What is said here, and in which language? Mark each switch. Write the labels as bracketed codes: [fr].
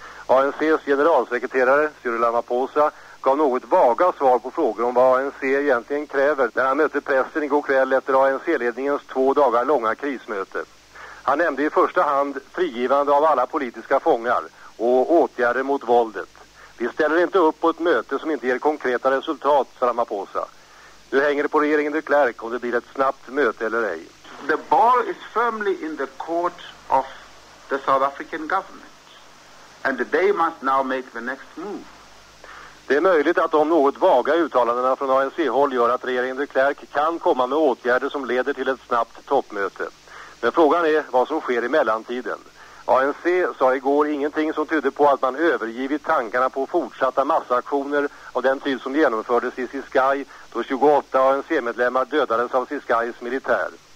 [sv] ANCs generalsekreterare Cyril Ramaphosa gav något vaga svar på frågor om vad ANC egentligen kräver när han mötte pressen igår kväll efter ANC-ledningens 2 dagar långa krismöte. Han nämnde i första hand frigivande av alla politiska fångar och åtgärder mot våldet. Vi ställer inte upp på ett möte som inte ger konkreta resultat, sa Ramaphosa. Nu hänger det på regeringen de Klerk om det blir ett snabbt möte eller ej. [en] The ball is firmly in the court of the South African government. And they must now make the next move. [sv] Det är möjligt att de något vaga uttalandena från ANC-håll gör att regeringen de Klerk kan komma med åtgärder som leder till ett snabbt toppmöte. Men frågan är vad som sker i mellantiden. ANC sa igår ingenting som tydde på att man övergivit tankarna på fortsatta massaktioner av den typ som genomfördes i Ciskay då 28 ANC-medlemmar dödades av Ciskays militär.